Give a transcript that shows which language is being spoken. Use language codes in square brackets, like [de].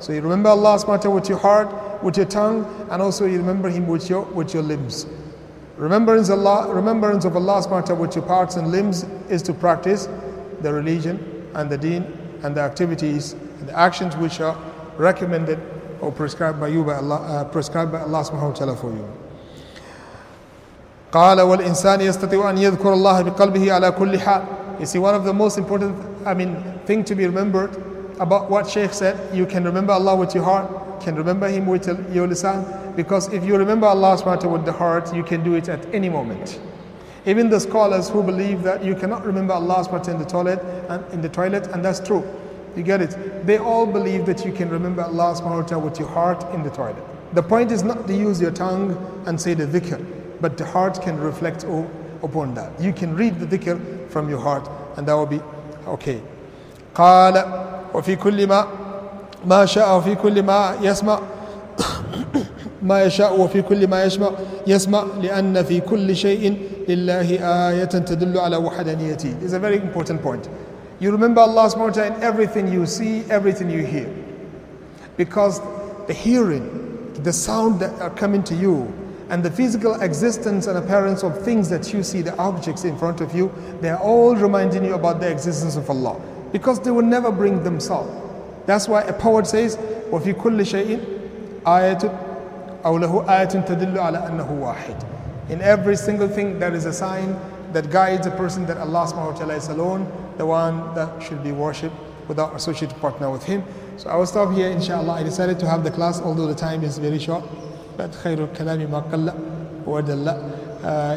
[en] So you remember Allah subhanahu wa ta'ala with your heart, with your tongue, and also you remember him with your limbs. Remembrance of Allah subhanahu wa ta'ala with your parts and limbs is to practice the religion and the deen and the activities and the actions which are recommended or prescribed by you by Allah subhanahu wa ta'ala for you. [ar] قال والإنسان يستطيع أن يذكر الله بقلبه على كل حال. [en] You see, one of the most important thing to be remembered about what Shaykh said, you can remember Allah with your heart, can remember him with your lisan, because if you remember Allah subhanahu wa ta'ala with the heart, you can do it at any moment. Even the scholars who believe that you cannot remember Allah subhanahu wa ta'ala in the toilet, and that's true. You get it? They all believe that you can remember Allah subhanahu wa ta'ala with your heart in the toilet. The point is not to use your tongue and say the dhikr, but the heart can reflect upon that. You can read the dhikr from your heart, and that will be okay. [ar] قال وفي كل ما ما شاء وفي كل ما يسمع ما يشاء وفي كل ما يسمع لأن في كل شيء لله آية تدل على وحدانيته. [en] This is a very important point. You remember Allah subhanahu wa ta'ala in everything you see, everything you hear. Because the hearing, the sound that are coming to you, and the physical existence and appearance of things that you see, the objects in front of you, they are all reminding you about the existence of Allah. Because they will never bring themselves. That's why a poet says, [ar] وَفِي كُلِّ شَيْءٍ آيَةٌ أَوْ لَهُ آيَةٌ تَدِلُّ عَلَىٰ أَنَّهُ وَاحِدٌ. [en] In every single thing, there is a sign that guides a person that Allah subhanahu wa ta'ala is alone, the one that should be worshipped without associated partner with him. So I will stop here, inshallah. I decided to have the class, although the time is very short. [ar] But khayru kalami ma qalla wa dalla.